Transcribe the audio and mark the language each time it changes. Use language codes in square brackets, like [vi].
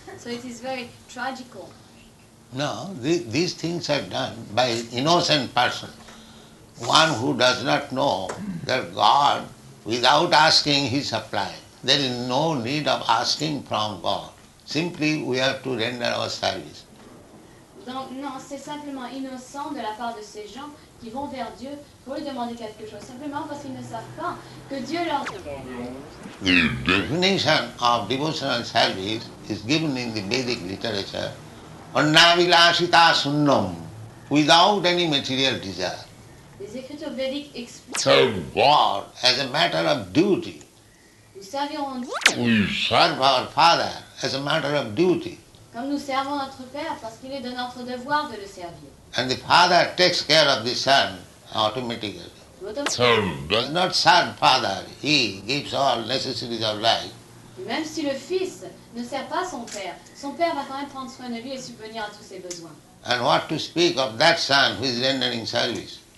[en] So it is very tragical. No, these things are done by an innocent person. One who does not know that God, without asking, He supplies. There is no need of asking from God. Simply, we have to render our service. [fr] Donc, non, c'est simplement innocent de la part de ces gens qui vont vers Dieu pour lui demander quelque chose, simplement parce qu'ils ne savent pas que Dieu leur demande. [en] The definition of devotional service is given in the Vedic literature. [sa] Annavilashita sunnam, [en] without any material desire. [fr] Les écritures védiques expliquent. [en] Serve God as a matter of duty. [fr] Nous servirons Dieu. [en] We serve our Father as a matter of duty. [fr] Comme nous servons notre Père, parce qu'il est de notre devoir de le servir. [en] And the Father takes care of the Son automatically. Serve does not serve Father. He gives all necessities of life. [fr] Même si le Fils ne sert pas son Père va quand même prendre soin de lui et subvenir à tous ses besoins. [en] And what to speak of that Son who is rendering service?